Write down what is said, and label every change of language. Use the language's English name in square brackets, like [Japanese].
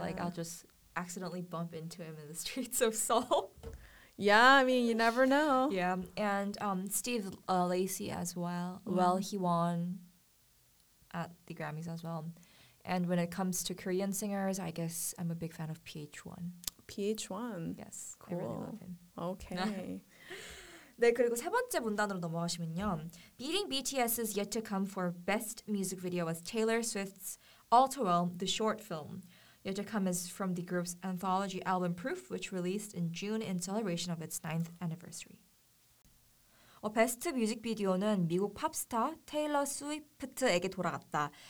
[English] Like, I'll just accidentally bump into him in the streets of Seoul. Yeah, I mean, you never know. Yeah, and Steve Lacy as well. Mm. Well, he won at the Grammys as well. And when it comes to Korean singers, I guess I'm a big fan of PH1. PH1? Yes, cool. I really love him. Okay. [Korean] 네, 그리고 세 번째 문단으로 넘어가시면요. [English] Beating BTS's Yet to Come for Best Music Video was Taylor Swift's All Too Well, the short film. Yojakam is from the group's anthology album Proof, which released in June in celebration of its 9th anniversary. [Korean] 베스트 뮤직비디오는 미국 팝스타 테일러 스위프트에게 돌아갔다.